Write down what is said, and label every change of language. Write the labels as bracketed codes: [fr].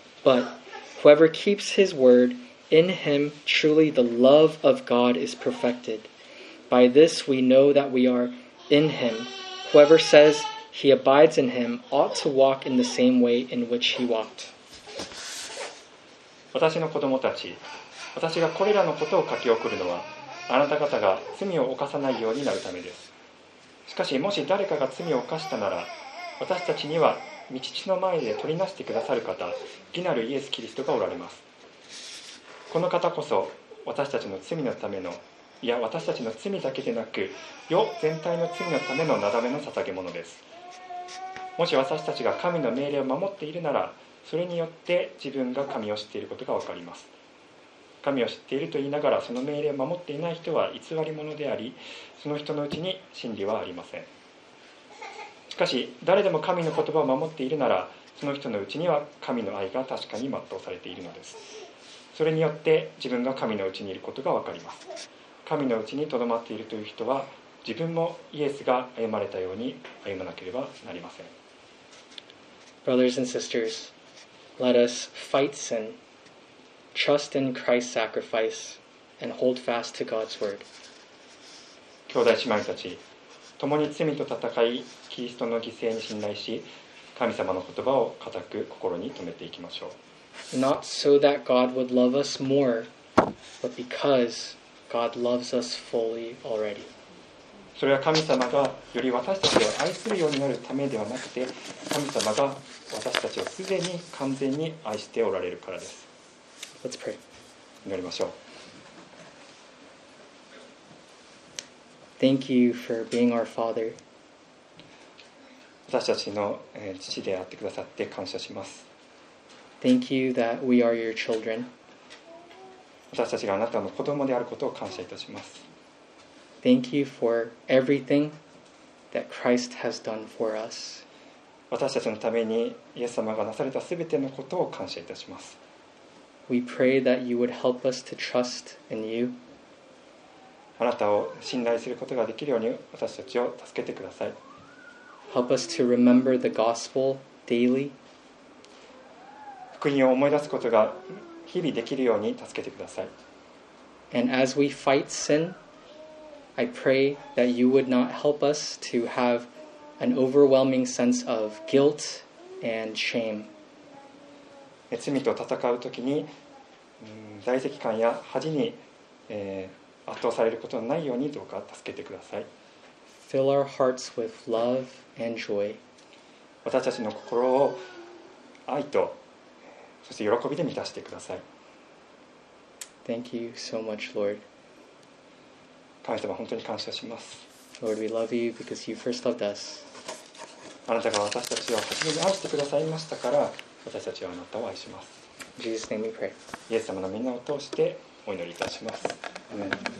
[en] But whoever keeps his word, in him truly the love of God is perfected. By this we know that we are in him. Whoever says he abides in him ought to walk in the same way in which he walked. [ja] 私の子供たち、私がこれらのことを書き送るのは、あなた方が罪を犯さないようになるためです。しかし、もし誰かが罪を犯したなら、私たちには御父の前で取りなしてくださる方、義なるイエス・キリストがおられます。この方こそ、私たちの罪のための、いや、私たちの罪だけでなく、世全体の罪のためのなだめの捧げ物です。もし私たちが神の命令を守っているなら、それによって自分が神を知っていることがわかります。神を知っていると言いながらその命令を守っていない人は偽り者であり、その人のうちに真理はありません。しかし誰でも神の言葉を守っているなら、その人のうちには神の愛が確かに全うされているのです。それによって自分が神のうちにいることがわかります。神のうちにとどまっているという人は、自分もイエスが歩まれたように歩まなければなりません。 [en] Brothers and sisters,Let us fight sin, trust in Christ's sacrifice, and hold fast to God's word. [ja] 兄弟姉妹たち、共に罪と戦い、キリストの犠牲に信頼し、神様の言葉を固く心に留めていきましょう。 [en] Not so that God would love us more, but because God loves us fully already. [ja] それは神様がより私たちを愛するようになるためではなくて、神様が私たちをすでに完全に愛しておられるからです。 [en] Let's pray. [ja] 祈りましょう。 [en] Thank you for being our Father. [ja] 私たちの父であってくださって感謝します。 [en] Thank you that we are your children. [ja] 私たちがあなたの子供であることを感謝いたします。 [en] Thank you for everything that Christ has done for us. [ja] 私たちのためにイエス様がなされたすべてのことを感謝いたします。 [en] We pray that you would help us to trust in you. [ja] あなたを信頼することができるように私たちを助けてください。 [en] Help us to remember the gospel daily. [ja] 福音を思い出すことが日々できるように助けてください。 [en] And as we fight sin, I pray that you would not help us to haveAn overwhelming sense of guilt and shame. [ja] 罪と戦うときに、罪責感や恥に、圧倒されることのないようにどうか助けてください。 [en] Fill our hearts with love and joy. [ja] 私たちの心を愛と、そして喜びで満たしてください。 [en] Thank you so much, Lord. [ja] 神様、本当に感謝します。 [en] Lord, we love you because you first loved us. [ja] あなたが私たちを初めに愛してくださいましたから、私たちはあなたを愛します。 [en] Jesus name we pray. [ja] イエス様の名を通してお祈りいたします。アメン。